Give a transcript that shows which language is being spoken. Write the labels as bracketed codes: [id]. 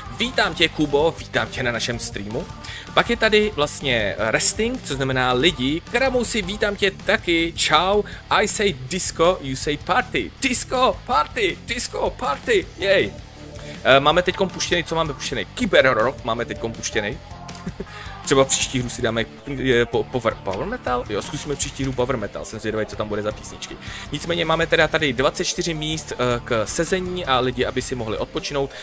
[cs] Vítám tě, Kubo, vítám tě na našem streamu. Pak je tady vlastně resting, co znamená lidi. Kramusi, vítám tě taky, čau. [en] I say disco, you say party. Disco, party, disco, party, jej. [cs] Máme teď puštěný, co máme puštěný? Kyber rock máme teď puštěný. Třeba příští hru si dáme power metal? Jo, zkusíme příští hru power metal, jsem zvědavý, co tam bude za písničky. Nicméně máme teda tady 24 míst k sezení a lidi, aby si mohli odpočinout.